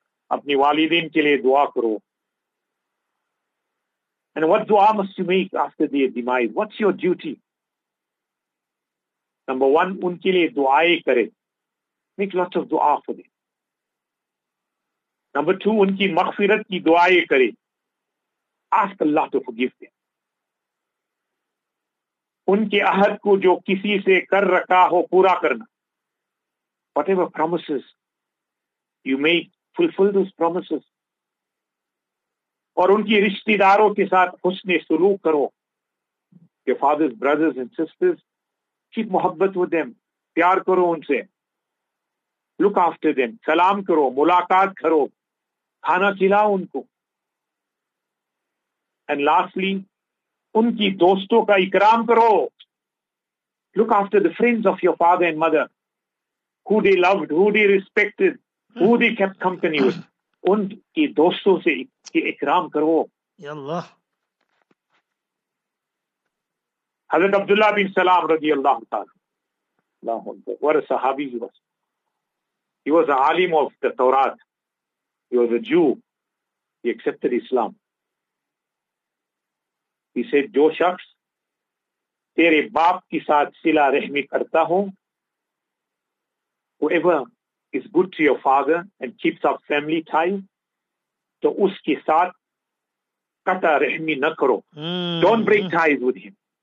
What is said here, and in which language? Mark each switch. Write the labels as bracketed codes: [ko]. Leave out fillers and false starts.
[ur] أبني والدين كي لي دعا کرو. [en] And what dua must you make after their demise? What's your duty? Number one, [ur] unke liye duae kare. [en] Make lots of dua for them. Number two, [ur] unki maghfirat ki duae kare. [en] Ask Allah to forgive them. [ur] Unke ahad ko jo kisi se kar rakha ho, pura karna. [en] Whatever promises you make, fulfill those promises. [ur] اور ان کی رشتہ داروں کے ساتھ حسن سلوک کرو. [en] Your fathers, brothers and sisters, keep محبت with them. [ur] پیار کرو ان سے. [en] Look after them. [ur] سلام کرو. ملاقات کرو. کھانا کھلاؤ ان کو. [en] And lastly, [ur] ان کی دوستوں کا اکرام کرو. [en] Look after the friends of your father and mother. Who they loved, who they respected, who they kept company with. [ur] ان کی دوستوں سے اکرام کرو. یاللہ. [en] حضرت عبداللہ بن سلام رضی اللہ تعالی اللہ عنہ, what a صحابی he was. He was a عالم of the Torah. He was a Jew. He accepted Islam. He said, [ur] جو شخص تیرے باپ کی ساتھ صلح رحمی کرتا ہوں, [en] whoever is good to your father and keeps up family ties, [ur] to us ki saath kata rahmi na karo. [en] Don't break ties with him.